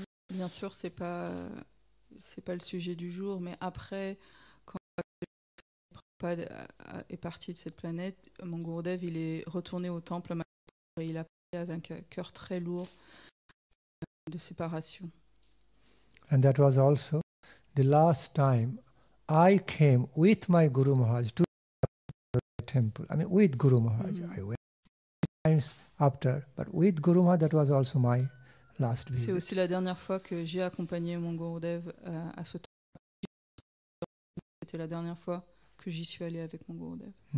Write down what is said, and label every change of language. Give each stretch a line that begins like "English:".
French: Bien sûr, c'est pas le sujet du jour, mais après quand Prabhupada est parti de cette planète, mon Gurudev il est retourné au temple et il a parlé avec un cœur très lourd de séparation.
English: And that was also the last time I came with my Guru Maharaj to the temple. I mean, with Guru Maharaj, I went. Times after, but with Guru Maharaj, that was also my last visit.
French: C'est aussi la dernière fois que j'ai accompagné mon Gurudev à ce temple. C'était la dernière fois que j'y suis allé avec mon Gurudev.